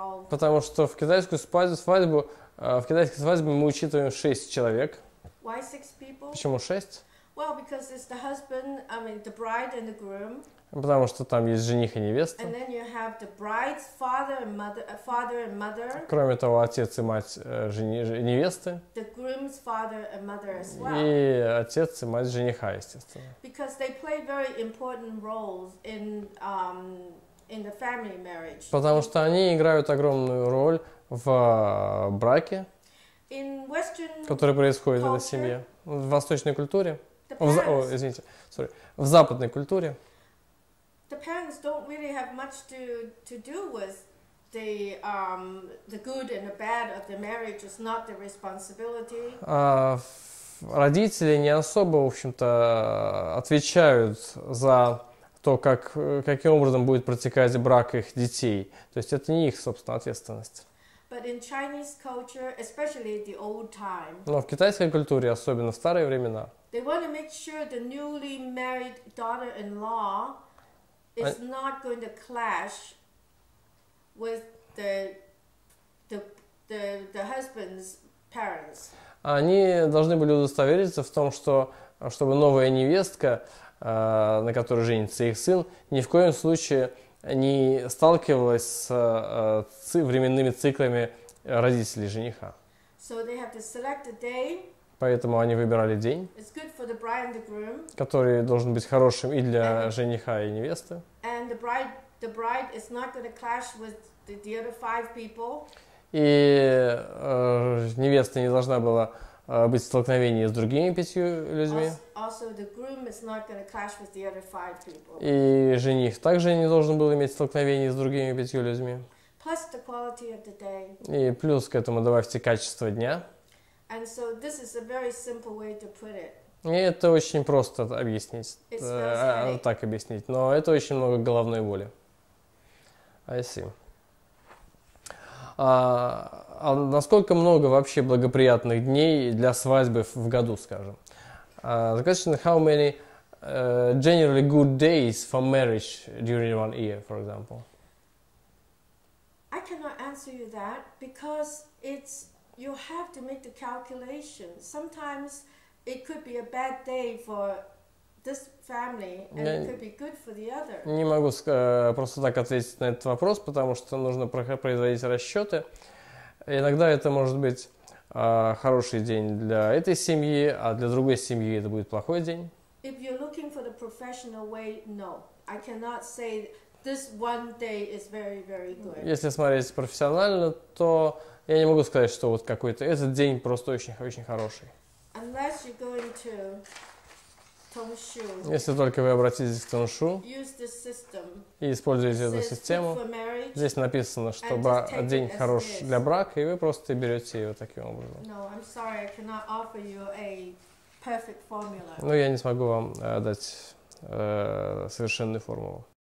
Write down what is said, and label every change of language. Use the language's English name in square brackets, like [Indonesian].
[Russian] Потому что в китайскую свадьбу, в китайской свадьбе мы учитываем 6 человек. [English] Why 6 people? [Russian] Почему 6? [English] Well, because it's the husband, I mean the bride and the groom. [Russian] Потому что там есть жених и невеста. [English] And then you have the bride's father and mother, father and mother. [Russian] Кроме того, отец и мать невесты. [English] The groom's father and mother as well. [Russian] И отец и мать жениха, естественно. [English] Because they play very important roles in the family marriage. [Russian] Потому что они играют огромную роль в браке, [English] in Western [Russian] который происходит [English] culture, [Russian] в этой семье, в восточной культуре. Извините, [English] sorry, [Russian] в западной культуре. [English] The parents don't really have much to do with the good and the bad of the marriage. It's not their responsibility. [Russian] Родители не особо, в общем-то, отвечают за то, как каким образом будет протекать брак их детей. То есть это не их собственная ответственность. [English] But in Chinese culture, especially the old time. [Russian] Но в китайской культуре, особенно в старые времена. [English] They want to make sure the newly married daughter-in-law is not going to clash with the husband's parents. [Russian] Они должны были удостовериться в том, что чтобы новая невестка, на которой женится их сын, ни в коем случае не сталкивалась с временными циклами родителей жениха. [English] So they have to select a day. [Russian] Поэтому они выбирали день, [English] it's good for the bride and the groom, [Russian] который должен быть хорошим и для жениха и невесты. [English] And the bride is not going to clash with the other five people. [Russian] И невеста не должна была быть в столкновении с другими пятью людьми. [English] Also, the groom is not going to clash with the other five people. [Russian] И жених также не должен был иметь столкновение с другими пятью людьми. [English] Plus the quality of the day. [Russian] И плюс к этому добавьте качество дня. [English] And so this is a very simple way to put it. [Russian] И это очень просто объяснить, так объяснить, но это очень много головной боли. [English] I see. [Russian] А насколько много вообще благоприятных дней для свадьбы в году, скажем? [English] The question is how many generally good days for marriage during one year, for example? I cannot answer you that because it's you have to make the calculation. Sometimes it could be a bad day for this family, and it could be good for the other. [Russian] Не могу просто так ответить на этот вопрос, потому что нужно производить расчеты. Иногда это может быть хороший день для этой семьи, а для другой семьи это будет плохой день. [English] If you're looking for the professional way, no, I cannot say this one day is very, very good. [Russian] Если смотреть профессионально, то я не могу сказать, что вот какой-то этот день просто очень, очень хороший. [English] Unless you're going to Tongshu, [Russian] если только вы обратитесь к Тоншу и используете эту систему, [English] marriage, [Russian] здесь написано, что день хорош для брака, и вы просто берете его таким образом. [English] No, I'm sorry, I cannot offer you a perfect formula. [Russian] Ну, я не смогу вам дать совершенную формулу.